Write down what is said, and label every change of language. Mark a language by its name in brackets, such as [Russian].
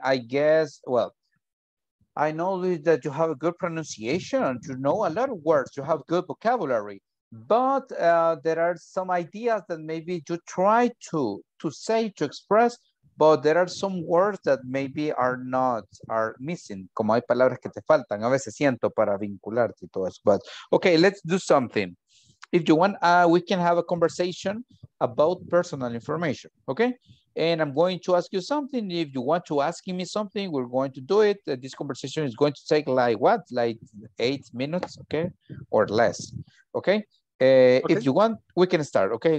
[English] I guess, well, I know that you have a good pronunciation and you know a lot of words, you have good vocabulary, but there are some ideas that maybe you try to say, to express, but there are some words that maybe are missing. [Spanish] Como hay palabras que te faltan, a veces siento para vincularte y todo eso. [English] But okay, let's do something. If you want, we can have a conversation about personal information, okay? And I'm going to ask you something. If you want to ask me something, we're going to do it. This conversation is going to take like 8 minutes, okay? Or less, okay? Okay. If you want, we can start, okay?